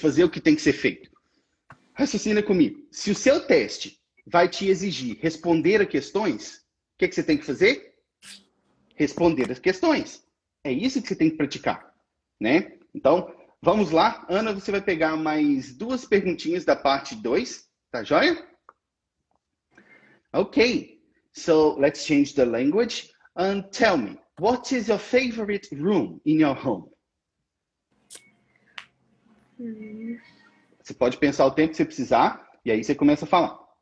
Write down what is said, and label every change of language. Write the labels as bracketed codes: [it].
[pt] Fazer o que tem que ser feito. Raciocina comigo. Se o seu teste vai te exigir responder a questões, o que que você tem que fazer? Responder as questões. É isso que você tem que praticar, né? Então, vamos lá. Ana, você vai pegar mais duas perguntinhas da parte 2, tá joia? [en] Okay. So, let's change the language and tell me, what is your favorite room in your home? [pt] Você pode pensar o tempo que você precisar e aí você começa a falar.